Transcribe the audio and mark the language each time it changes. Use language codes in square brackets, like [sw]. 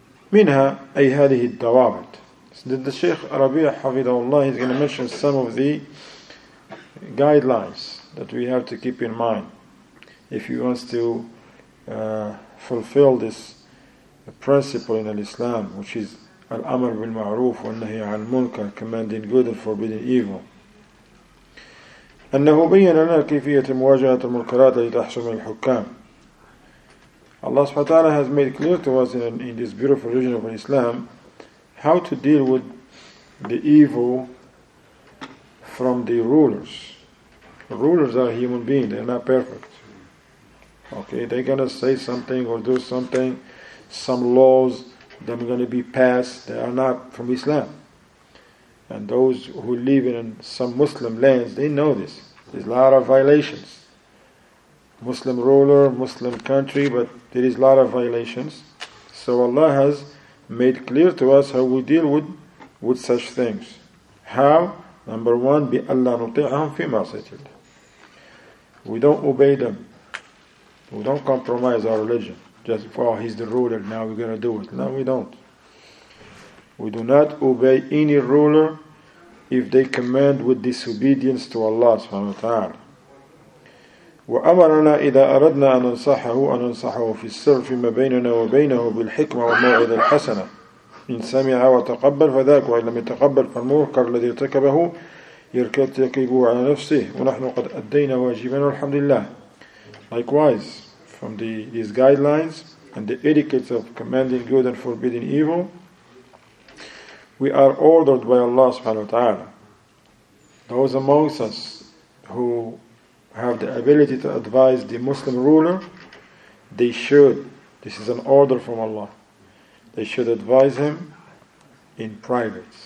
[ar] Minha ay hadhihi ad-dawabit. [en] So the Shaykh Rabi'a hafidhahullah is going to mention some of the guidelines that we have to keep in mind if you want to fulfill this principle in Islam, which is Al-Amr bil-Ma'roof wa al-Nahi al-Munkar, commanding good and forbidding evil. [ar] أنه بيّن لنا كيفية مواجهة المنكرات التي تحصل من الحكام. [en] Allah subhanahu wa ta'ala has made clear to us in this beautiful religion of Islam how to deal with the evil from the rulers. Rulers are human beings, they're not perfect. Okay, they're going to say something or do something, some laws that are going to be passed, they are not from Islam. And those who live in some Muslim lands, they know this. There's a lot of violations. Muslim ruler, Muslim country, but there is a lot of violations. So Allah has made clear to us how we deal with such things. How? Number one, [ar] بِأَلَّا نُطِعَهُمْ فِي مَعْصَيْتِهِ. [en] We don't obey them. We don't compromise our religion. Just, well, he's the ruler, now we're going to do it. No, we don't. We do not obey any ruler if they command with disobedience to Allah subhanahu wa ta'ala. [ar] وأمرنا إذا أردنا أن ننصحه أن ننصحه في السر فيما بيننا وبينه بالحكمة والموعظة الحسنة. إن سمع وتقبل فذاك، وإن لم يتقبل فالمنكر الذي ارتكبه يرتكبه على نفسه، ونحن قد أدينا واجبنا والحمد لله. [en] Likewise, from these guidelines and the etiquette of commanding good and forbidding evil, we are ordered by Allah subhanahu wa ta'ala. Those amongst us who have the ability to advise the Muslim ruler, they should, this is an order from Allah, they should advise him in private.